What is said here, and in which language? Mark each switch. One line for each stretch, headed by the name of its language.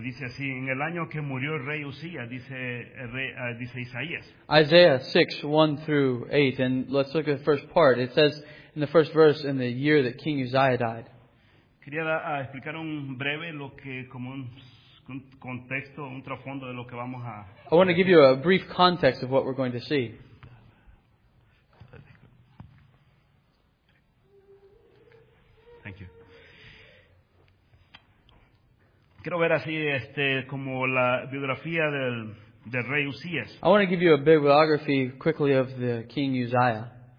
Spanish: Dice así, en el año que murió el rey Usías, dice Isaías.
English: Isaiah 6, 1 through 8, and let's look at the first part. It says in the first verse, in the year that King Uzziah died.
Spanish: Quería explicar un breve lo que como un contexto, un trasfondo de lo que vamos a...
English: I want to give you a brief context of what we're going to see.
Spanish: Quiero ver así como la biografía del rey Usías.
English: I want to give you a bibliography quickly of the King Uzziah.